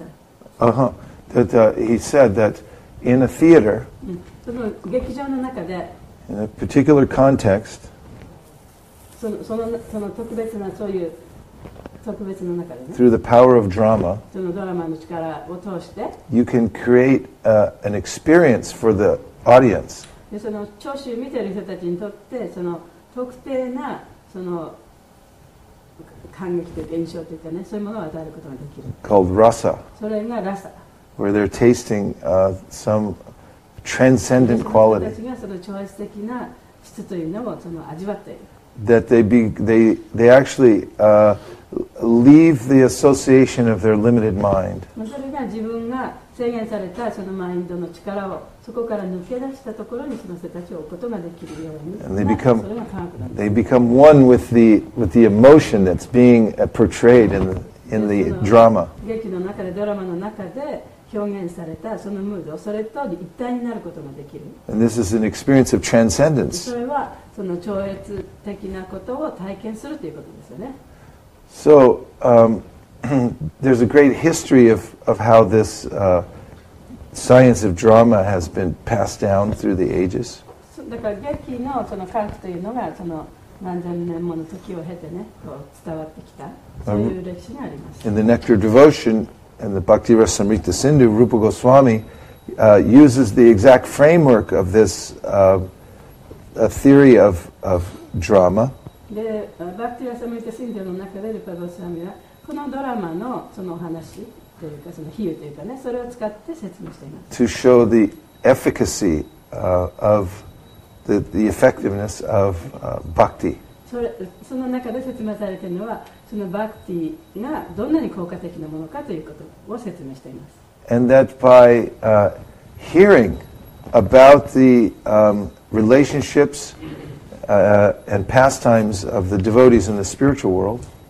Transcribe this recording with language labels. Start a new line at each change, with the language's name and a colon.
Japanese: 回。
English: That he said that in a theater,
Japanese: その劇場の中で、
English: in a particular context,
Japanese: その特別なそういう特別の中でね、
English: through the power of drama,
Japanese: そのドラマの力を通して、
English: you can create an experience for the audience.
Japanese: でその聴衆見てる人たちにとってその特定なその感激という現象というかね、そういうものを与えることができる。
English: Called rasa.
Japanese: それがラサ。
English: Where they're tasting some transcendent quality.
Japanese: その人たちがその超越的な質というのをその味わっている。
English: That they actually leave the association of their limited mind.
Japanese: それが自分が制限されたそのマインドの力をそこから抜け出したところにその人たちを置くことができるように。
English: And they become one with the emotion that's being portrayed in the drama.
Japanese: 劇の中でドラマの中で表現されたそのムードをそれと一体になることができる。
English: And this is an experience of transcendence.
Japanese: それはその超越的なことを体験するということですよね。
English: So, there's a great history of how this science of drama has been passed down through the ages.
Japanese: だから劇のその科学というのがその何千年もの時を経てね、こう伝わってきた、そういう歴史があります。
English: In the Nectar Devotion and the Bhakti Rasamrita Sindhu, Rupa Goswami uses the exact framework of this a theory of drama.
Japanese: で、バクティ・ラサムリタ・シンディアの中でルパ・ゴスワミはこのドラマのそのお話というかその比喩というかね、それを使って説明しています。
English: To show the efficacy of the effectiveness of bhakti.
Japanese: その中で説明されているのはそのバクティがどんなに効果的なものかということを説明しています。
English: And that by hearing about the relationships and pastimes of the devotees in the spiritual world.